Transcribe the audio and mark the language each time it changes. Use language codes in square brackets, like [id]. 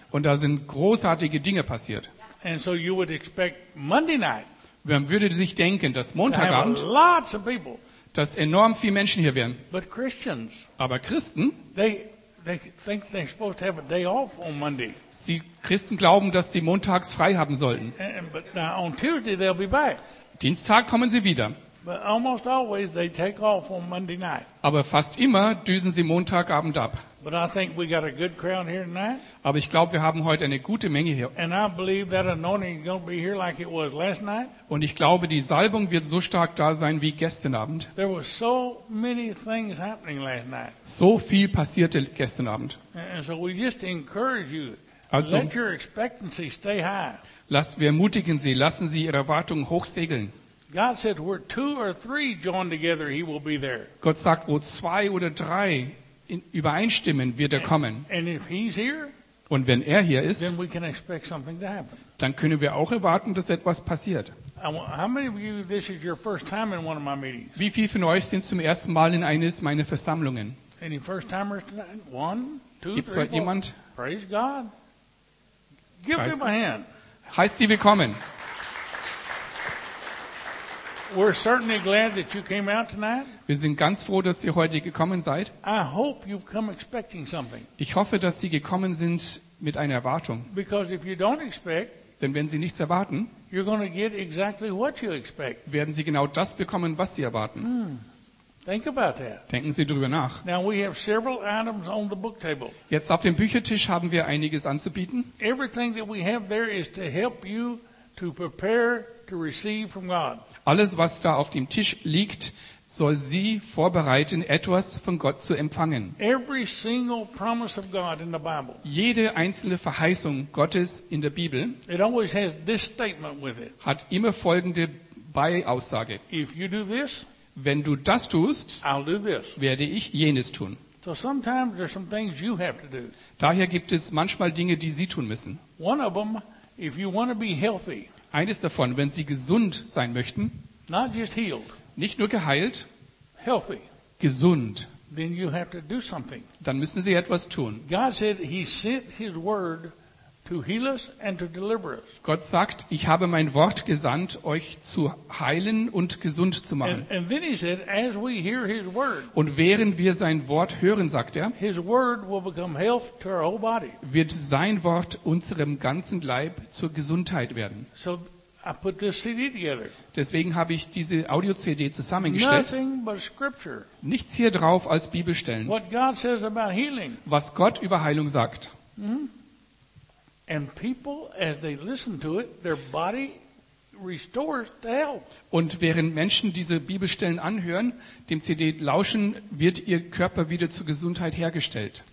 [de] Und da sind großartige Dinge passiert. [en] And so you would expect Monday night. [de] Man würde sich denken, dass Montagabend, [en] lots of people, [de] dass enorm viele Menschen hier wären. [en] But Christians, [de] aber Christen, [en] they think they're supposed to have a day off on Monday. [de] Sie Christen glauben, dass sie montags frei haben sollten. [en] But now on Tuesday they'll be back. [de] Dienstag kommen sie wieder. [en] But almost always they take off on Monday night. [de] Aber fast immer düsen sie Montagabend ab. [en] But I think we got a good crowd here tonight. [de] Aber ich glaube, wir haben heute eine gute Menge hier. [en] And I believe that anointing is going to be here like it was last night. [de] Und ich glaube, die Salbung wird so stark da sein wie gestern Abend. [en] There were so many things happening last night. [de] So viel passierte gestern Abend. [en] And so we just encourage you. [de] Also, [en] let your expectancy stay high. [de] Wir ermutigen Sie, lassen Sie Ihre Erwartungen hochsegeln. [en] God said, "Where two or three join together, He will be there." [de] Gott sagt, wo zwei oder drei übereinstimmen, wird er kommen. [en] And if He's here, [de] und wenn er hier ist, [en] then we can expect something to happen. [de] Dann können wir auch erwarten, dass etwas passiert. [en] How many of you, this is your first time in one of my meetings? [de] Wie viele von euch sind zum ersten Mal in eines meiner Versammlungen? [en] Any first timers tonight? One, two, [de] gibt's [en] three, four. [de] Jemand? [en] Praise God. Give him a hand. [de] Heißt sie willkommen. [en] We're certainly glad that you came out tonight. [de] Wir sind ganz froh, dass ihr heute gekommen seid. [en] I hope you've come expecting something. [de] Ich hoffe, dass Sie gekommen sind mit einer Erwartung. [en] Because if you don't expect, [de] denn wenn Sie nichts erwarten, [en] you're going to get exactly what you expect. [de] Werden Sie genau das bekommen, was Sie erwarten. [en] Think about that. [de] Denken Sie darüber nach. [en] Now we have several items on the book table. [de] Jetzt auf dem Büchertisch haben wir einiges anzubieten. [en] Everything that we have there is to help you to prepare to receive from God. [de] Alles, was da auf dem Tisch liegt, soll Sie vorbereiten, etwas von Gott zu empfangen. [en] Every single promise of God in the Bible. [de] Jede einzelne Verheißung Gottes in der Bibel, [en] it always has this statement with it. [de] Hat immer folgende Beiaussage. [en] If you do this, [de] wenn du das tust, [en] I'll do this. [de] Werde ich jenes tun. [en] So sometimes there's some things you have to do. [de] Daher gibt es manchmal Dinge, die Sie tun müssen. [en] One of them, if you want to be healthy, [de] eines davon, wenn Sie gesund sein möchten, [en] not just healed, [de] nicht nur geheilt, [en] healthy, [de] gesund, [en] then you have to do something. [de] Dann müssen Sie etwas tun. [en] God said he sent his word to heal us and to deliver us. [de] Gott sagt, ich habe mein Wort gesandt, euch zu heilen und gesund zu machen. [en] And then he said, as we hear his word, [de] und während wir sein Wort hören, sagt er, [en] his word will become health to our whole body. [de] Wird sein Wort unserem ganzen Leib zur Gesundheit werden. [en] So I put this CD together. [de] Deswegen habe ich diese Audio-CD zusammengestellt. [en] Nothing but scripture. [de] Nichts hier drauf als Bibelstellen. [en] What God says about healing. [de] Was Gott über Heilung sagt. [en] And people, as they listen to it, their body restores to health. [de] Und während Menschen diese Bibelstellen anhören, dem CD lauschen, wird ihr Körper wieder zur Gesundheit hergestellt.